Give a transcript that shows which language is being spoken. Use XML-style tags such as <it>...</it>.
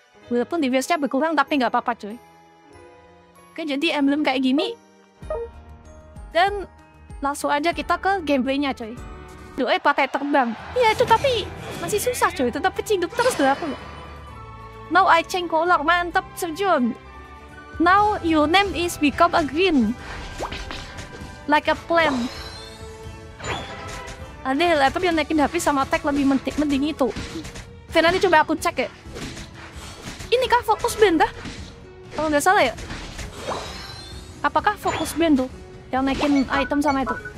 <id>Walaupun DPS-nya berkurang tapi nggak apa-apa, coy. Oke, jadi emblem kayak gini. Dan langsung aja kita ke gameplaynya, coy. Doe pakai terbang. Iya itu, tapi masih susah, coy. Tetap keciduk terus deh aku.</id> <en>Now I change color,</en> <id>mantep Sejun.</id> <en>Now your name is become a green, like a plant.</en> <id>Ada heal item yang naikin HP sama attack lebih mending itu. Finalnya coba aku cek ya. Ini kah focus band dah? Kalau nggak salah ya. Apakah focus band tuh yang naikin item sama itu?</id>